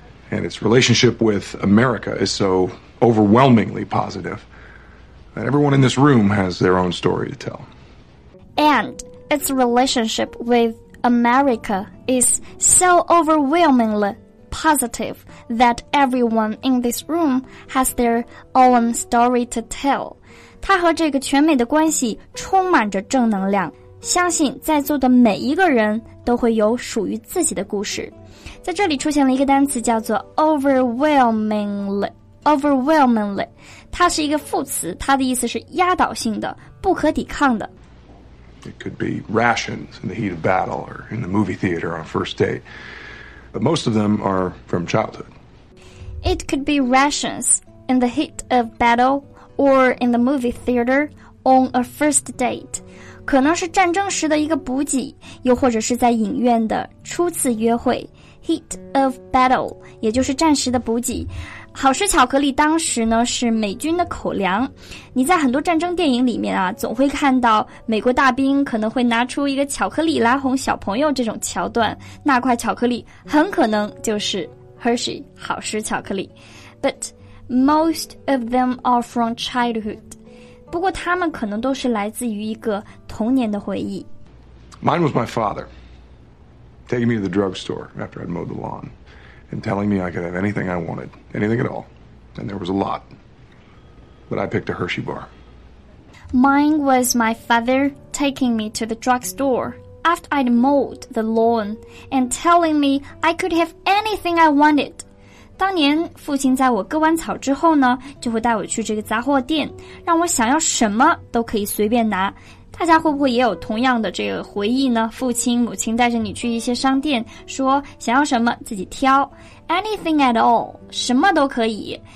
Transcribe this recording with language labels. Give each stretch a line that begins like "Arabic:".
English: And its relationship with America is so overwhelmingly positive that everyone in this room has their own story to tell. And its relationship with America is so overwhelmingly. Positive that everyone in this room has their own story to tell.
Chinese: 它和这个全美的关系充满着正能量，相信在座的每一个人都会有属于自己的故事。在这里出现了一个单词叫做 overwhelmingly, 它是一个副词，它的意思是压倒性的，不可抵抗的。
English: It could be rations in the heat of battle or in the movie theater on first date. But most of them are from childhood. It could be rations in the heat of battle or in the movie theater on a first date.
Chinese: 可能是战争时的一个补给，又或者是在影院的初次约会。
English: Heat of battle,
Chinese: 也就是战时的补给。好时巧克力当时呢是美军的口粮。你在很多战争电影里面啊，总会看到美国大兵可能会拿出一个巧克力来哄小朋友这种桥段。那块巧克力很可能就是 Hershey 好时巧克力。
English: But most of them are from childhood.
Chinese: 不过他们可能都是来自于一个童年的回忆。
English: Mine was my father taking me to the drugstore after I'd mowed the lawn. And telling me I could have anything I wanted, anything at all. And there was a lot. But I picked a Hershey bar. Mine was my father taking me to the drugstore after I'd mowed the lawn and telling me I could have anything I wanted.
Chinese: 当年父亲在我割完草之后呢，就会带我去这个杂货店，让我想要什么都可以随便拿。大家会不会也有同样的这个回忆呢？父亲、母亲带着你去一些商店，说想要什么自己挑 ，
English: anything at all，
Chinese: 什么都可以。